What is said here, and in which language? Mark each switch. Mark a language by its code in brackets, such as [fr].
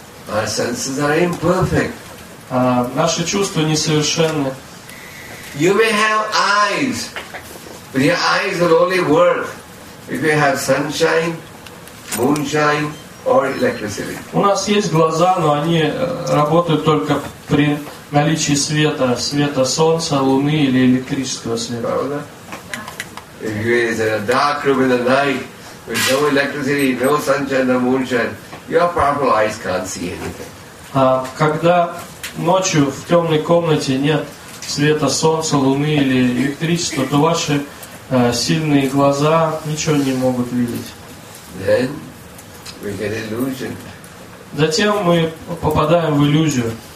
[en] Our senses are imperfect. [ru] Наши чувства несовершенны. [en] You may have eyes, but your eyes will only work if you have sunshine, moonshine, or electricity. [ru] У нас есть глаза, но они работают только при наличии света солнца, луны или электрического света. Правда? [en] If you are in a dark room in the night with no electricity, no sunshine, no moonshine, your powerful eyes can't see anything. [ru] Когда ночью в темной комнате нет света солнца, луны или электричества, то ваши сильные глаза ничего не могут видеть. [en] Then we get illusion. [ru] Затем мы попадаем в иллюзию.